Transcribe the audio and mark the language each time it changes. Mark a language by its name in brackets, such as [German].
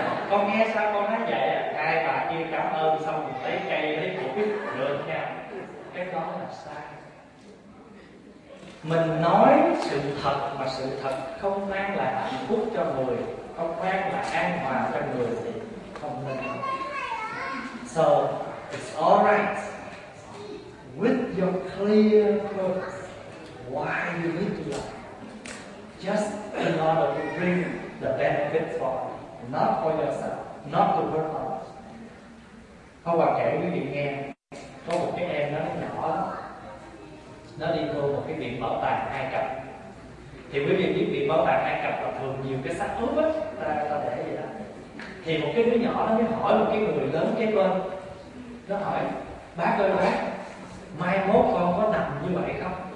[Vietnamese] Con nghe sao con nói vậy à. Hai bà kia cảm ơn xong lấy cây lấy củi rượt nha. Cái đó là sai. Mình nói sự thật mà sự thật không mang lại hạnh phúc cho người, không mang lại an hòa cho người thì không nên. [English] So it's alright with your clear purpose why you need to lie. Just in order to bring the benefit for not for yourself, not to hurt others. [Vietnamese] Hôm qua kể quý vị nghe, có một cái em nó nhỏ lắm. Nó đi vô một cái viện bảo tàng Ai Cập. Thì quý vị biết viện bảo tàng Ai Cập là thường nhiều cái xác ướp á, ta để vậy đó. Thì một cái đứa nhỏ nó mới hỏi một cái người lớn kế bên. Nó hỏi, "Bác ơi bác, mai mốt con có nằm như vậy không?"